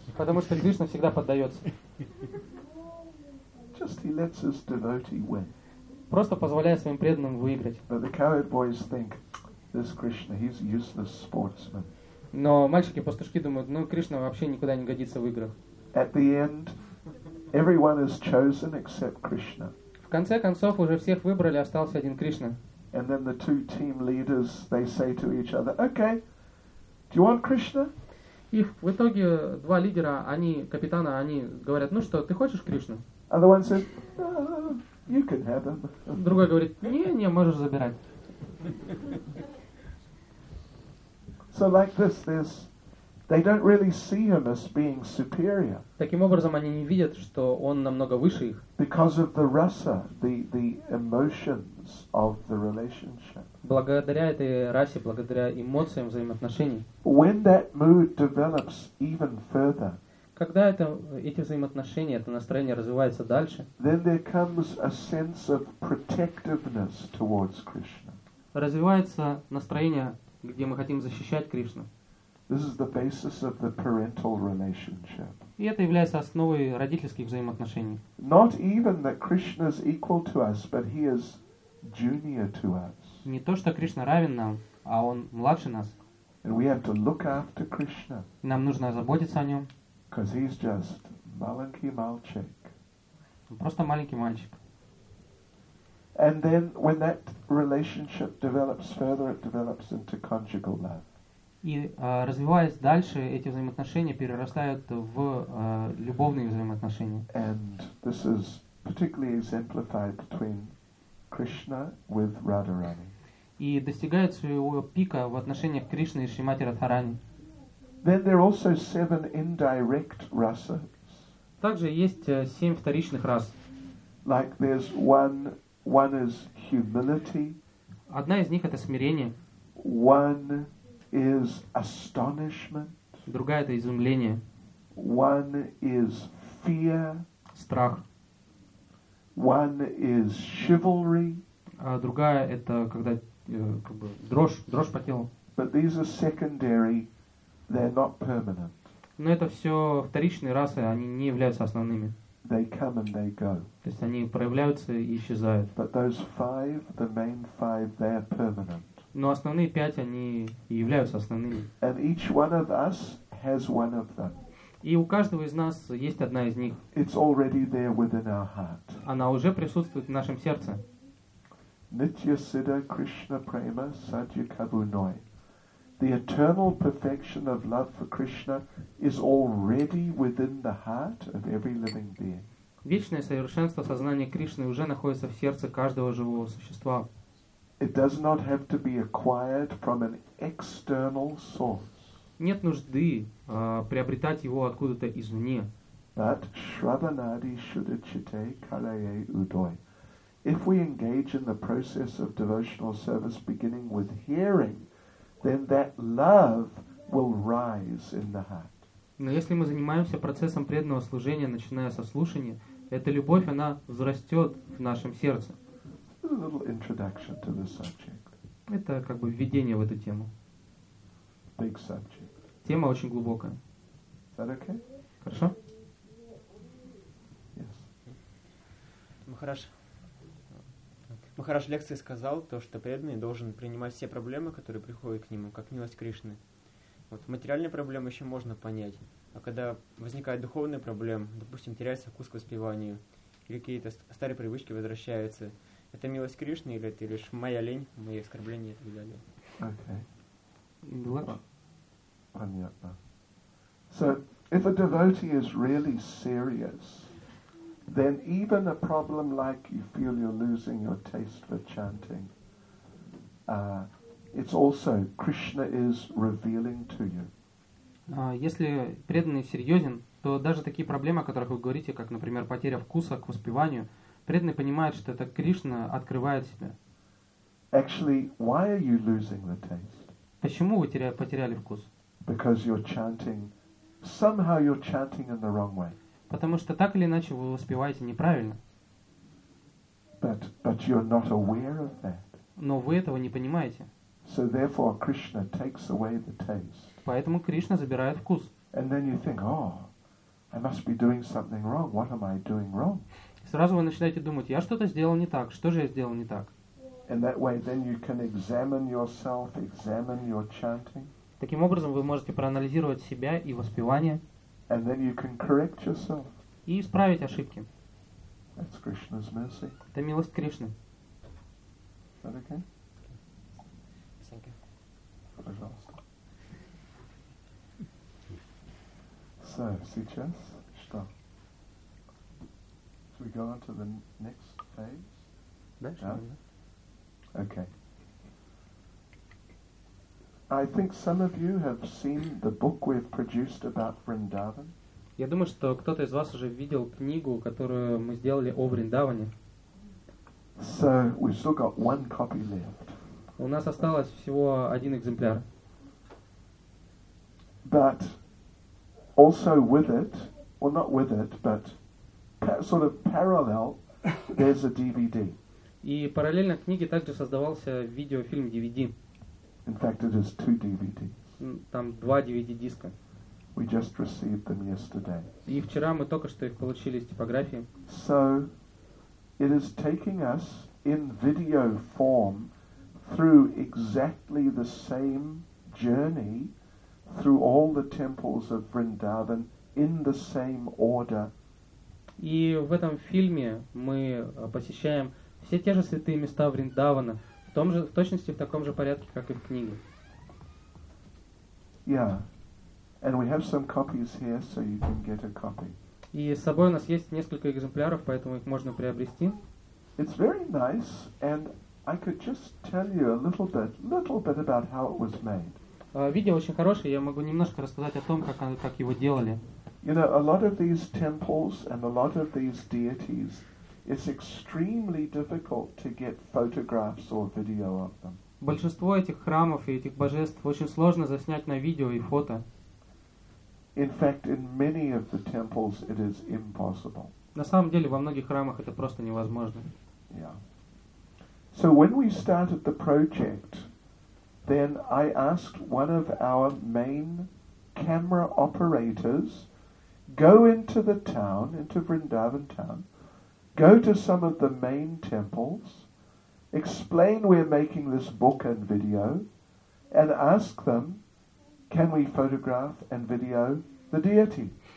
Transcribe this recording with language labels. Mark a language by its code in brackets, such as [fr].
[ru] Потому что Кришна всегда поддается. [en] Just he lets his devotee win. [ru] Просто позволяя своим преданным выиграть. [en] But the cowherd boys think, this Krishna, he's a useless sportsman. [ru] Но мальчики-пастушки думают, ну Кришна вообще никуда не годится в играх. [en] At the end, everyone is chosen except Krishna. [ru] В конце концов уже всех выбрали, остался один Кришна. [en] And then the two team leaders, they say to each other, okay, do you want Krishna? [ru] И в итоге два лидера, они капитана, они говорят, ну что, ты хочешь Кришну? [en] And the one said, you can have him. [ru] Другой говорит, не, можешь забирать. [en] So like this, this, they don't really see him as being superior. [ru] Таким образом, они не видят, что он намного выше их. [en] Because of the rasa, the emotions of the relationship. [ru] Благодаря этой расе, благодаря эмоциям взаимоотношений. [en] When that mood develops even further. [ru] Когда это, эти взаимоотношения, это настроение развивается дальше, [en] then there comes a sense of protectiveness towards Krishna. [ru] Развивается настроение, где мы хотим защищать Кришну. [en] This is the basis of the parental relationship. [ru] И это является основой родительских взаимоотношений. [en] Not even that Krishna is equal to us, but he is junior to us. [ru] Не то, что Кришна равен нам, а он младше нас. [en] And we have to look after Krishna. [ru] Нам нужно заботиться о нем. [en] Because he's just [ru] маленький мальчик. Просто маленький мальчик. [en] And then when that relationship develops further, it develops into conjugal love. [ru] И развиваясь дальше, эти взаимоотношения перерастают в любовные взаимоотношения. [en] And this is particularly exemplified between Krishna with Radharani. [ru] И достигают своего пика в отношениях Кришны и Шримати Радхарани. [en] Then there are also seven indirect rasas. [ru] Также есть семь вторичных рас. [en] Like there's one is humility. [ru] Одна из них это смирение. [en] One is astonishment. [ru] Другая это изумление. [en] One is fear. [ru] Страх. [en] One is chivalry. [ru] А другая это когда как бы дрожь по телу. [en] But these are secondary. They're not permanent. [ru] Но это все вторичные расы, они не являются основными. [en] They come and they go. [ru] То есть они проявляются и исчезают. [en] But those five, the main five, they're permanent. [ru] Но основные пять, они и являются основными. [en] And each one of us has one of them. [ru] И у каждого из нас есть одна из них. [en] It's already there within our heart. [ru] Она уже присутствует в нашем сердце. [bn] Nitya Siddha Krishna Prema Sadhya Kabunoi. [en] The eternal perfection of love for Krishna is already within the heart of every living being. [ru] Вечное совершенство сознания Кришны уже находится в сердце каждого живого существа. [en] It does not have to be acquired from an external source. [ru] Нет нужды приобретать его откуда-то извне. [bn] But Shravanadi Shuddhachitte Kalaye Udoy. [en] If we engage in the process of devotional service beginning with hearing, then that love will rise in the heart. [ru] Но если мы занимаемся процессом преданного служения, начиная со слушания, эта любовь, она взрастет в нашем сердце. [en] A little introduction to the subject. [ru] Это как бы введение в эту тему. [en] Big subject. [ru] Тема очень глубокая. [en] Is that okay? [ru] Хорошо? [en] Yes. [ru] Махараш. Махарадж лекции сказал то, что преданный должен принимать все проблемы, которые приходят к нему, как милость Кришны. Вот материальные проблемы еще можно понять, а когда возникают духовные проблемы, допустим, теряется вкус к воспеванию, или какие-то старые привычки возвращаются, это милость Кришны или это лишь моя лень, мои оскорбления и так далее? Okay. Понятно. [en] So, if a devotee is really serious, then even a problem like you feel you're losing your taste for chanting, it's also Krishna is revealing to you. [ru] Если преданный серьезен, то даже такие проблемы, о которых вы говорите, как, например, потеря вкуса к воспеванию, преданный понимает, что это Кришна открывает себя. [en] Actually, why are you losing the taste? [ru] Почему вы потеряли вкус? [en] Because you're chanting. Somehow you're chanting in the wrong way. [ru] Потому что так или иначе вы воспеваете неправильно. [en] But you're not aware of that. [ru] Но вы этого не понимаете. [en] So therefore Krishna takes away the taste. [ru] Поэтому Кришна забирает вкус. [en] And then you think, oh, I must be doing something wrong. What am I doing wrong? [ru] Сразу вы начинаете думать, я что-то сделал не так. Что же я сделал не так? [en] And that way then you can examine yourself, examine your chanting. [ru] Таким образом вы можете проанализировать себя и воспевание. [en] And then you can correct yourself. [ru] И исправить ошибки. [en] That's Krishna's mercy. [ru] Это милость Кришны. [en] Is that okay? Thank you. [ru] Пожалуйста. So, сейчас что? [en] Should we go on to the next phase? [ru] Дальше. [en] Okay. I think some of you have seen the book we've produced about Vrindavan. [ru] Я думаю, что кто-то из вас уже видел книгу, которую мы сделали о Вриндаване. [en] So we still got one copy left. [ru] У нас осталось всего один экземпляр. [en] But also with it, or not with it, but sort of parallel, there's a DVD. [ru] И параллельно книге также создавался видеофильм DVD. [en] In fact, it is two DVDs. [ru] Там два DVD-диска. [en] We just received them yesterday. [ru] И вчера мы только что их получили с типографии. [en] So, it is taking us in video form through exactly the same journey through all the temples of Vrindavan in the same order. [ru] И в этом фильме мы посещаем все те же святые места Вриндавана в том же, в точности в таком же порядке, как и в книге. [en] Yeah. And we have some copies here, so you can get a copy. [ru] И с собой у нас есть несколько экземпляров, поэтому их можно приобрести. [en] It's very nice, and I could just tell you a little bit about how it was made. [ru] Видео очень хорошее, я могу немножко рассказать о том, как его делали. [en] You know, a lot of these temples and a lot of these deities, it's extremely difficult to get photographs or video of them. [ru] Большинство этих храмов и этих божеств очень сложно заснять на видео и фото. [en] In fact, in many of the temples, it is impossible. [ru] На самом деле, во многих храмах это просто невозможно. [en] Yeah. So when we started the project, then I asked one of our main camera operators go into the town, into Vrindavan town, go to some of the main temples, explain we're making this book and video, and ask them, can we photograph and video the deity?